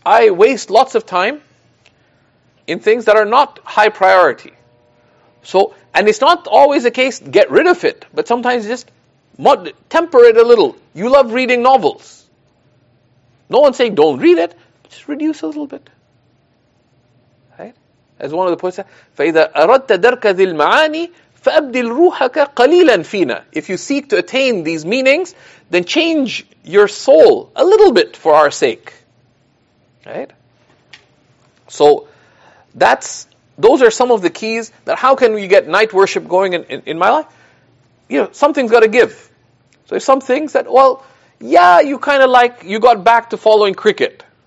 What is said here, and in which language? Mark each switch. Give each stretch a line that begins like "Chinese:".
English: I waste lots of time in things that are not high priority. So, and it's not always the case, get rid of it, but sometimes just temper it a little. You love reading novels. No one's saying don't read it, just reduce a little bit. Right? As one of the poets said,
Arabic: فَإِذَا أَرَدْتَ دَرْكَ ذِي الْمَعَانِي فَأَبْدِلْ رُوحَكَ قَلِيلًا فِينَا.
English: If you seek to attain these meanings, then change your soul a little bit for our sake. Right? So, those are some of the keys that how can we get night worship going in my life? You know, something's got to give. So if some things that, well, yeah, you kind of like, you got back to following cricket.